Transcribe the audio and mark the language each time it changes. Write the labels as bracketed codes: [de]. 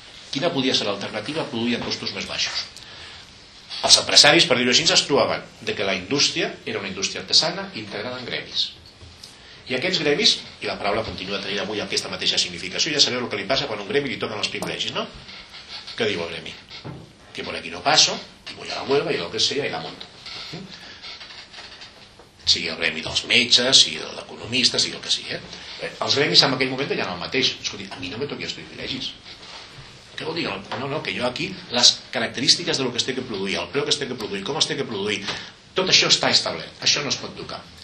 [ca] Quina podia ser l'alternativa a produir amb costos més baixos? Els empresaris, per dir-ho així, es trobaven de que la indústria era una indústria artesana integrada en gremis. I aquests gremis, i la paraula continua a tenir avui aquesta mateixa significació, ja sabeu el que li passa quan un gremi li toquen els privilegis, no? Què diu el gremi? [es] Que por aquí no paso, y voy a la huelga, y lo que sea, y la monto. [ca] Sigui el gremi dels metges, sigui el d'economista, sigui el que sigui. Els gremis en aquell moment ja no el mateix. Escolti, a mi no me toqui els privilegis. Què vol dir? No, no, que jo aquí, les característiques del que es té que produir, el preu que es té que produir, com es té que produir, tot això està establert, això no es pot tocar.